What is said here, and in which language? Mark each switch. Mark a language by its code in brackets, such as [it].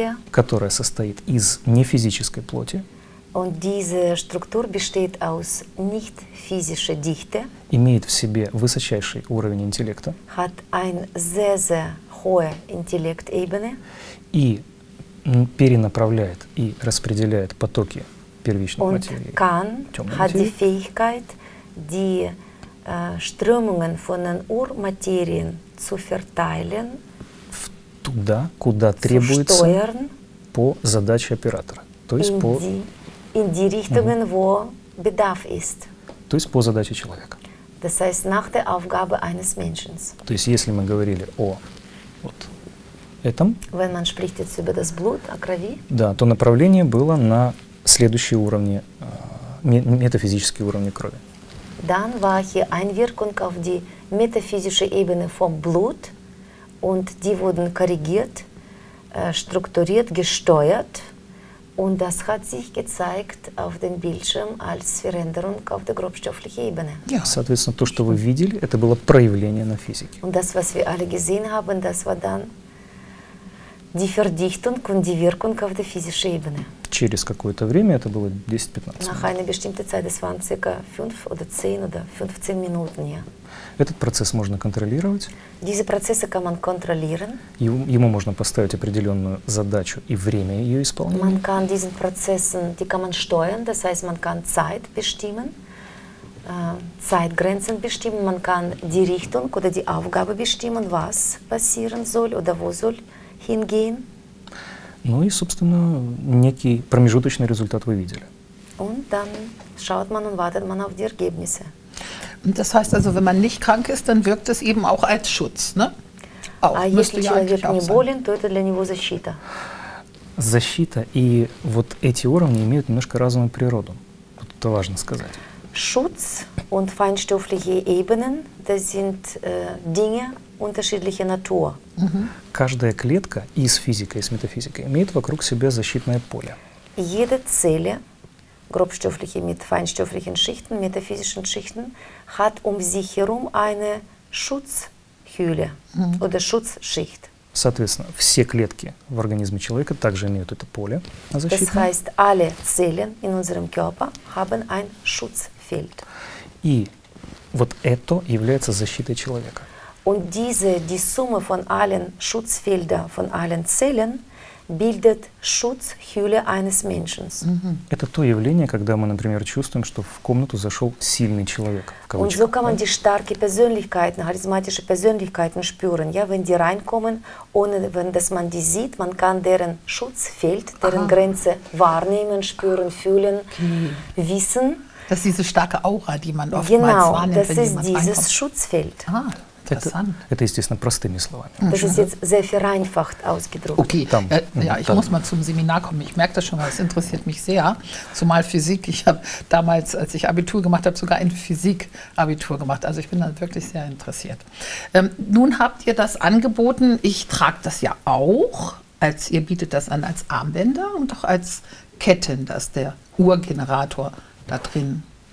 [ru] которая состоит из нефизической плоти. [de] Und diese Struktur besteht aus nicht physischer Dichte. [ru] Имеет в себе высочайший уровень интеллекта. [de] Hat ein sehr, sehr hohe Intellektebene. [ru] И перенаправляет и распределяет потоки первичной [de] und [ru] материи. [de] Und kann, hat die Fähigkeit, die Strömungen von den Urmaterien zu verteilen. [ru] Туда, куда требуется, [de] steuern, [ru] по задаче оператора. То есть по... [de] In die Richtungen, wo Bedarf ist. [ru] То есть по задаче человека. [de] Das heißt, nach der Aufgabe eines Menschen. [ru] То есть если мы говорили о вот этом. [de] Wenn man spricht jetzt über das Blut, [ru] о крови. Да, то направление было на следующие уровни, метафизические уровни крови. [de] Dann war hier Einwirkung auf die metaphysische Ebene vom Blut. Und die wurden korrigiert, strukturiert, gesteuert. Und das hat sich gezeigt auf dem Bildschirm als Veränderung auf der grobstofflichen Ebene. [ru] Ja, соответственно, то, что вы видели, это было проявление на физике. [de] Und das, was wir alle gesehen haben, das war dann die Verdichtung und die Wirkung auf der physischen Ebene. [ru] Через какое-то время, это было 10-15 минут. [de] Nach einer bestimmten Zeit, das waren circa 5 oder 10 oder 15 Minuten, ja. [ru] Этот процесс можно контролировать. [de] Diese Prozesse kann man kontrollieren. [ru] Ему можно поставить определенную задачу и время ее исполнения. [de] Man kann diesen Prozessen, die kann man steuern, das heißt, man kann Zeit bestimmen, Zeitgrenzen bestimmen, man kann die Richtung oder die Aufgabe bestimmen, was passieren soll oder wo soll hingehen. [ru] Ну и, собственно, некий промежуточный результат вы видели. [de] Und dann schaut man und wartet man auf die Ergebnisse. Das heißt also, wenn man nicht krank ist, dann wirkt es eben auch als Schutz, ne? Auch, а müsste ja eigentlich auch sein. [ru] То это для него защита. Защита. И вот эти уровни имеют немножко разную природу. Вот это важно сказать. [de] Schutz und feinstoffliche Ebenen, das sind Dinge unterschiedlicher Natur. [ru] Каждая клетка и с физикой, и с метафизикой имеет вокруг себя защитное поле. [de] Jede Zelle grobstoffliche mit feinstofflichen Schichten, metaphysischen Schichten, hat um sich herum eine Schutzhülle oder Schutzschicht. [ru] Соответственно, все клетки в организме человека также имеют это поле защиты. [de] Das heißt, alle Zellen in unserem Körper haben ein Schutzfeld. [ru] И вот это является защитой человека. [de] Und diese, die Summe von allen Schutzfeldern, von allen Zellen, bildet Schutzhülle eines Menschen. [ru] Это то явление, когда мы, например, чувствуем, что в комнату зашел сильный человек. [de] Und so kann man die starke Persönlichkeiten, charismatische Persönlichkeiten spüren, ja, wenn die reinkommen, ohne wenn dass man die sieht, man kann deren Schutzfeld, deren Grenze wahrnehmen, spüren, fühlen, wissen. Das ist diese starke Aura, die man oftmals genau, wahrnimmt, wenn jemand reinkommt. Genau, das ist dieses Schutzfeld. [ru] Это, естественно, простыми словами. [de] Das ist jetzt sehr vereinfacht ausgedrückt. Okay, dann, ja, ich dann muss mal zum Seminar kommen. Ich merke das schon mal, es interessiert mich sehr. Zumal Physik, ich habe damals, als ich Abitur gemacht habe, sogar ein Physik-Abitur gemacht. Also ich bin da wirklich sehr interessiert. Nun habt ihr das angeboten, ich trage das ja auch, als ihr bietet das an als Armbänder und auch als Ketten, dass der Urgenerator da drin